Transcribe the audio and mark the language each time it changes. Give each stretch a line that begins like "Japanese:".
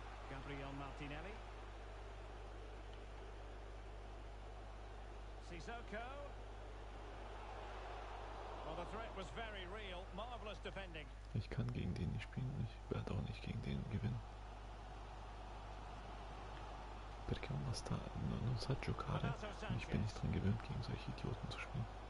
English: Gabriel Martinelli. Sissoko. Well, the threat was very real. Marvelous defending.
German: Ich kann gegen den nicht spielen. Ich werde auch nicht gegen den gewinnen.
Italian: Perché non basta, non sa giocare.
German: Ich bin nicht dran gewöhnt, gegen solche Idioten zu spielen.